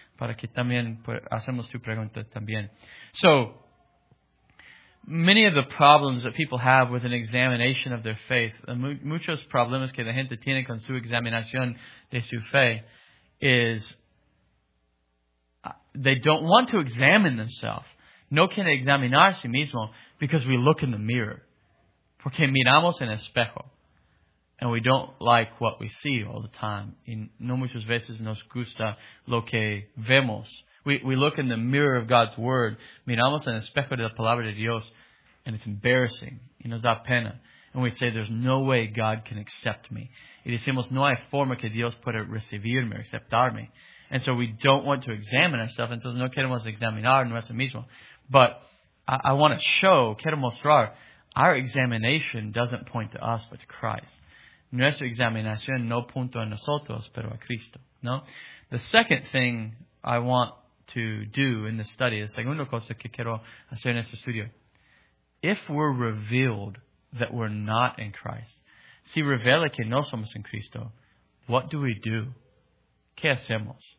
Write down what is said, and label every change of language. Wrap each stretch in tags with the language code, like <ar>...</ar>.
<es>Para que también hacemos tu pregunta también.</es> <en>So, many of the problems that people have with an examination of their faith,</en> <es>muchos problemas que la gente tiene con su examinación de su fe,</es> <en>is they don't want to examine themselves.</en> <es>No quiere examinar a sí mismo</es> <en>because we look in the mirror.</en> <es>Porque miramos en espejo.</es> <en>And we don't like what we see all the time.</en> <es>Y no muchas veces nos gusta lo que vemos.</es> <en>We look in the mirror of God's Word,</en> <es>miramos en el espejo de la palabra de Dios,</es> <en>and it's embarrassing.</en> <es>Y nos da pena.</es> <en>And we say, there's no way God can accept me.</en> <es>Y decimos, no hay forma que Dios pueda recibirme, aceptarme.</es> <en>And so we don't want to examine ourselves,</en> <es>entonces no queremos examinar nuestro mismo.</es> <en>But I want to show,</en> <es>quiero mostrar,</es> <en>our examination doesn't point to us, but to Christ.</en> <es>Nuestra examinación no apunta a nosotros, pero a Cristo.</es> <en>No? The second thing I want to do in this study,</en> <es>la segunda cosa que quiero hacer en este estudio,</es> <en>if we're revealed that we're not in Christ,</en> <es>si revela que no somos en Cristo,</es> <en>what do we do?</en> <es>¿Qué hacemos?</es>